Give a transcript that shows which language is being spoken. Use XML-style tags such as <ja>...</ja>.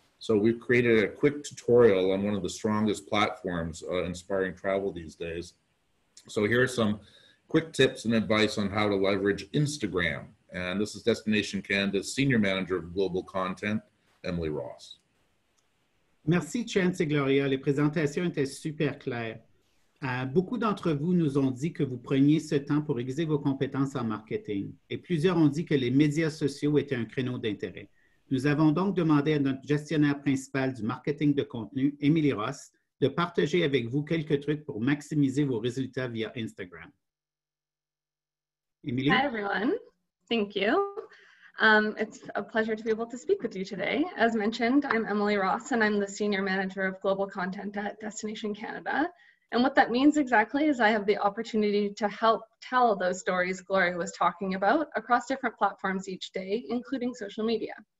<en>So we've created a quick tutorial on one of the strongest platforms inspiring travel these days. So here are some quick tips and advice on how to leverage Instagram. And this is Destination Canada's Senior Manager of Global Content, Emily Ross.</en> <fr>Merci, Chantz et Gloria. Les présentations étaient super claires. Beaucoup d'entre vous nous ont dit que vous preniez ce temps pour aiguiser vos compétences en marketing. Et plusieurs ont dit que les médias sociaux étaient un créneau d'intérêt. Nous avons donc demandé à notre gestionnaire principal du marketing de contenu, Emily Ross, de partager avec vous quelques trucs pour maximiser vos résultats via Instagram.</fr> <en>Emily? Hi, everyone. Thank you. It's a pleasure to be able to speak with you today. As mentioned, I'm Emily Ross, and I'm the Senior Manager of Global Content at Destination Canada. And what that means exactly is I have the opportunity to help tell those stories Gloria was talking about across different platforms each day, including social media.</en>